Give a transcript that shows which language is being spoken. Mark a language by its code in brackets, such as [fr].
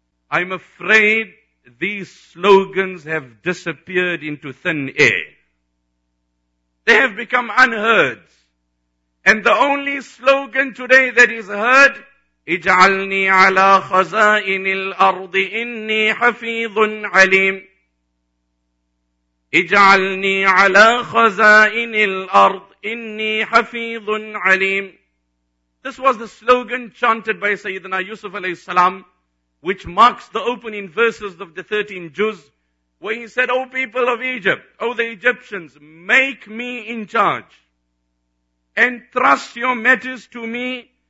[en] I'm afraid these slogans have disappeared into thin air. They have become unheard. And the only slogan today that is heard, [ar] اجعلني على خزائن الأرض إني حفيظ عليم. اجعلني على خزائن الأرض إني حفيظ عليم. [en] This was the slogan chanted by Sayyidina Yusuf alayhi salam, which marks the opening verses of the 13 Juz, where he said, O people of Egypt, O the Egyptians, make me in charge and trust your matters to me.